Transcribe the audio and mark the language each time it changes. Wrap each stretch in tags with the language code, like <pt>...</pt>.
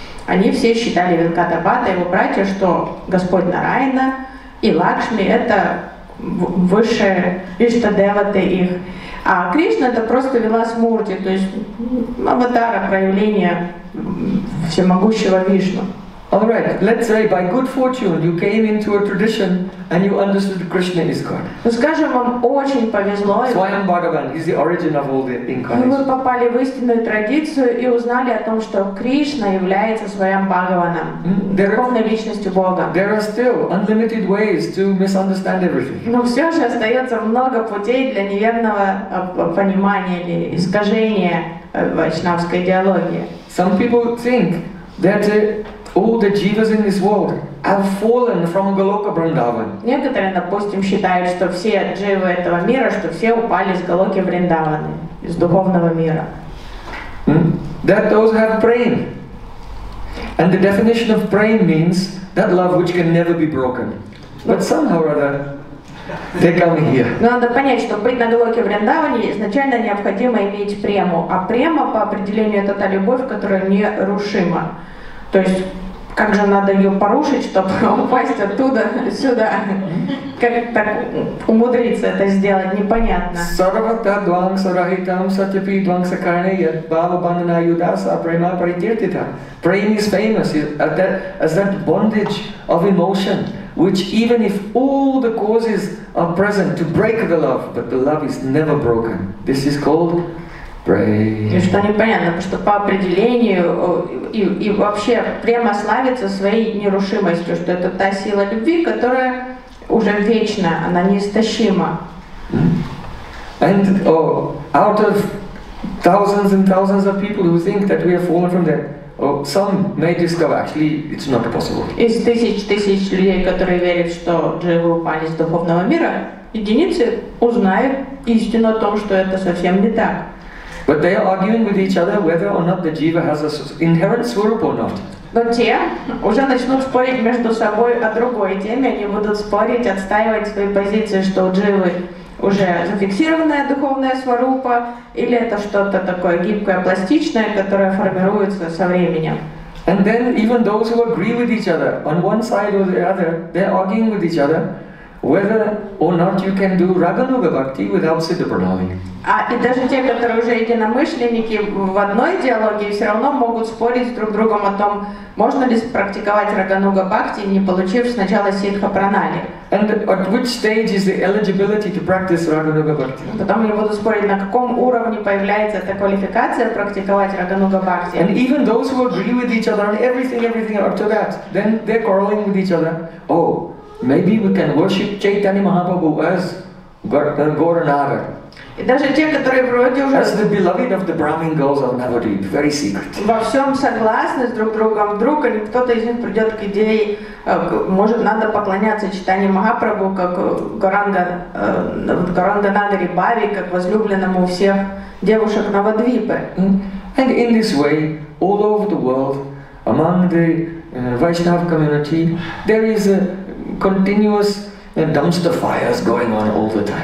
<ru>Они все считали Венката Бхатта, его братья, что Господь Нарайана и Лакшми — это высшие Иштадеваты их. А Кришна — это просто Вилас Мурти, то есть аватара, проявление всемогущего Вишну.</ru> <en>Alright, let's say by good fortune you came into a tradition and you understood Krishna is God.</en> <ru>Ну скажем, вам очень повезло.</ru> <en>Swayam Bhagavan is the origin of all the incarnations.</en> <ru>Вы попали в истинную традицию и узнали о том, что Кришна является Swayam Bhagavanом, верховной личностью Бога.</ru> <en>There are still unlimited ways to misunderstand everything.</en> <ru>Но все же остается много путей для неверного понимания или искажения вайшнавской идеологии.</ru> <en>Some people think that all the jivas in this world have fallen from Goloka Vrindavan.</en> <ru>Некоторые, допустим, считают, что все дживы этого мира, что все упали с Голоки Вриндаваны, из духовного мира.</ru> <en>That those have prem. And the definition of prem means that love which can never be broken. But somehow or other, they come here.</en> <ru>Но надо понять, что быть на Голоке Вриндаване изначально необходимо иметь прему. А према, по определению, это та любовь, которая нерушима. То есть, как же надо ее порушить, чтобы упасть оттуда сюда? Как так умудриться это сделать? Непонятно.</ru> <sa>Сарвата двамса рахитам сатапи двамса карнея бава бандана юдаса према прайтиртита.</sa> <en>Prem is famous as that bondage of emotion, which even if all the causes are present to break the love, but the love is never broken. This is called</en> <ru>и что непонятно, потому что по определению и вообще према славится своей нерушимостью, что это та сила любви, которая уже вечна, она неистощима.</ru> <en>And out of thousands and thousands of people who think that we have fallen from that, some may discover actually it's not possible.</en> <ru>Из тысяч тысяч людей, которые верят, что дживы упали с духовного мира, единицы узнают истину о том, что это совсем не так.</ru> <en>But they are arguing with each other whether or not the jiva has an inherent swarup or not.</en> <ru>Вот те уже начнут спорить между собой о другой теме. Они будут спорить, отстаивать свои позиции, что у дживы уже зафиксированная духовная сварупа, или это что-то такое гибкое, пластичное, которое формируется со временем.</ru> <en>And then even those who agree with each other on one side or the other, they're arguing with each other whether or not you can do Raganuga Bhakti without Siddha Pranami.</en> <ru>А и даже те, которые уже единомышленники в одной идеологии, все равно могут спорить друг с другом о том, можно ли практиковать Рагануга Бхакти, не получив сначала Сиддха Пранали.</ru> <en>And at which stage is the eligibility to practice Рагануга Бхакти?</en> <ru>Потом они будут спорить, на каком уровне появляется эта квалификация практиковать Рагануга Бхакти.</ru> <en>And even those who agree with each other on everything up to that, then they're quarreling with each other. Oh, maybe we can worship Chaitanya Mahaprabhu as Gauranaga.</en> <ru>И даже те, которые вроде уже</ru> <en>as the beloved of the Brahmin girls of Navadvip, very secret.</en> <ru>Во всем согласны с друг другом, вдруг или кто-то из них придет к идее, может, надо поклоняться Чайтанье Махапрабху как Гауранга Надари Бхави, как возлюбленному всех девушек Навадвипы.</ru> <en>And in this way, all over the world, among the Vaishnava community, there is a continuous and dumpster fires going on all the time.</en>